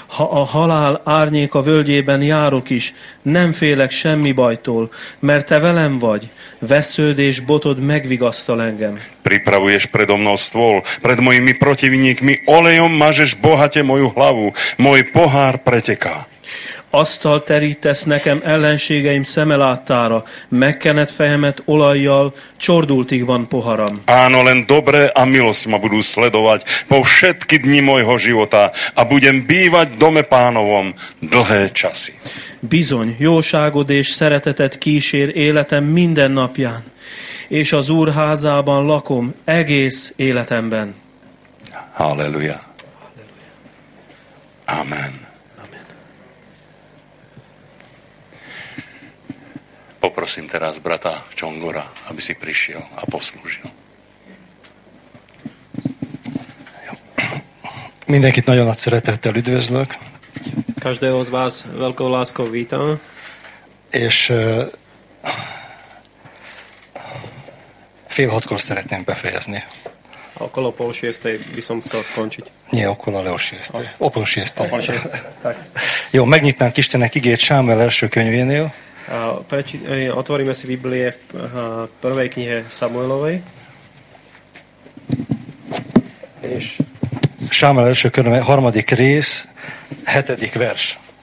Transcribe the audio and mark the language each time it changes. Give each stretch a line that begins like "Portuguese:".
Hungarian: Ha a halál árnyéka völgyében járok is, nem félek semmi bajtól, mert te velem vagy, vesződ és botod megvigasztal engem.
Slovak: Pripravuješ predo mnou stôl, pred mojimi protivníkmi olejom mažeš bohate moju hlavu, môj pohár preteká.
Hungarian: Asztal terítesz nekem ellenségeim szemelátára, megkened fejemet olajjal, csordultig van poharam.
Slovak: Áno, len dobré a milosť ma budú sledovať po všetky dni mojho života a budem bývať dome Pánovom dlhé časy.
Hungarian: Bizony, jóságod és szeretetet kísér életem minden napján, és az Úr házában lakom egész életemben. Halleluja. Amen.
Slovak: Poprosím teraz brata Čongora, aby si prišiel a poslúžil.
Hungarian: Mindenkit nagyon nagy szeretettel üdvözlök.
Slovak: Každého z vás veľkou láskou vítam.
Hungarian: És fél hatkor szeretném befejezni.
Slovak: Okolo pol šiestej by som chcel skončiť. Nie, okolo, ale o šiestej. O pol šiestej.
Hungarian: Jo, megnyitnánk Istennek igét Sámuel első könyvénél.
Slovak: Otvoríme si Biblie v prvej knihe Samuelovej.
Hungarian: És Sámuel első könyve, harmadik rész, hetedik vers.